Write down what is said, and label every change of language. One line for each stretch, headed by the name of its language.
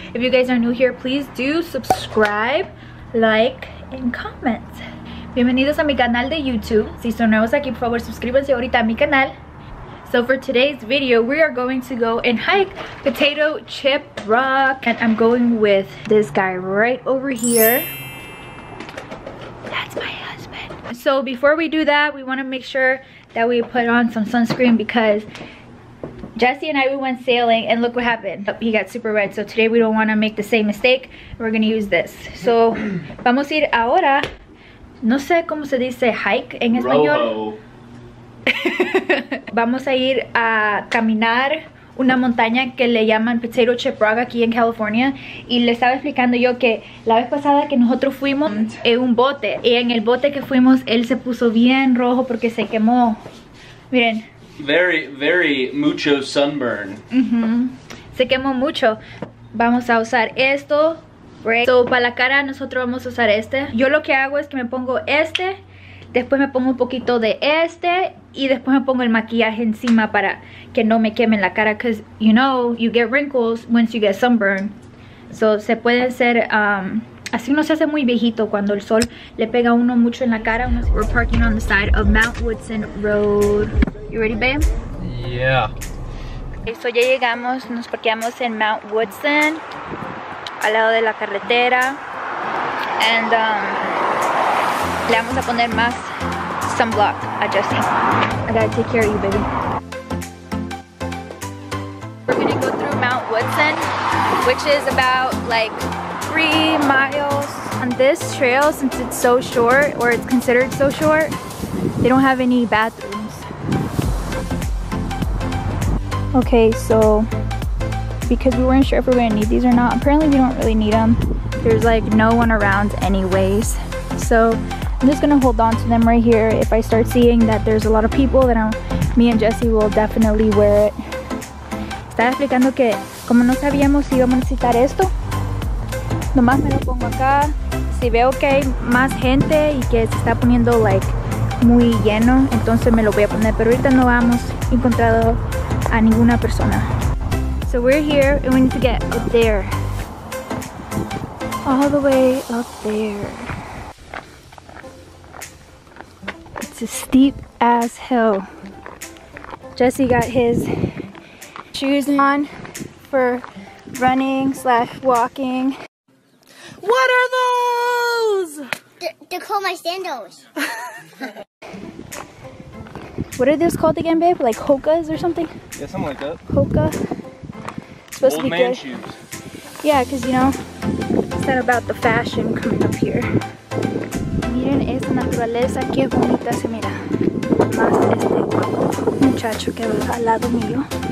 English: If you guys are new here, please do subscribe, like, and comment.
Spanish: Bienvenidos a mi canal de YouTube. Si son nuevos aquí, por favor, suscríbanse ahorita a mi canal.
English: So for today's video, we are going to go and hike Potato Chip Rock. And I'm going with this guy right over here. That's my husband. So before we do that, we want to make sure that we put on some sunscreen because Jesse and I, we went sailing and look what happened. He got super red. So today we don't want to make the same mistake. We're going to use this. So
Spanish: vamos a ir ahora. No sé cómo se dice hike en español. Vamos a ir a caminar una montaña que le llaman Potato Chip Rock aquí en California. Y le estaba explicando yo que la vez pasada que nosotros fuimos en un bote. Y en el bote que fuimos, él se puso bien rojo porque se quemó. Miren.
English: Very, very mucho sunburn.
Spanish: Se quemó mucho. Vamos a usar esto. Right? So, para la cara nosotros vamos a usar este. Yo lo que hago es que me pongo este. Después me pongo un poquito de este. Y después me pongo el maquillaje encima para que no me queme la cara.
English: Because, you know, you get wrinkles once you get sunburn.
Spanish: So, se puede hacer... así uno se hace muy viejito cuando el sol le pega a uno mucho en la cara.
English: We're parking on the side of Mount Woodson Road. You ready, babe? Yeah. Okay, so
Spanish: ya llegamos. Nos parqueamos en Mount Woodson. Al lado de la carretera.
English: And,
Spanish: le vamos a poner más sunblock a Jesse.
English: I gotta take care of you, baby. We're gonna go through Mount Woodson, which is about like 3 miles. On this trail, since it's so short, or it's considered so short, they don't have any bathrooms. Okay, so because we weren't sure if we're gonna need these or not, apparently we don't really need them. There's like no one around anyways. So I'm just gonna hold on to them right here. If I start seeing that there's a lot of people, then me and Jesse will definitely wear it.
Spanish: Estaba explicando que como no sabíamos si íbamos a necesitar esto, nomás me lo pongo acá. Si veo que hay más gente y que se está poniendo like muy lleno, entonces me lo voy a poner. Pero ahorita no hemos encontrado a ninguna persona.
English: So we're here and we need to get up there. All the way up there. It's a steep ass hill. Jesse got his shoes on for running / walking. What are those? They're called my sandals. What are those called again, babe? Like Hokas or something? Yeah, something like that. Hoka. Supposed old to be man good. Shoes. Yeah, because you know, it's not about the fashion coming up here.
Spanish: Miren esta naturaleza, que bonita se mira. Más este guapo muchacho que va al lado mío.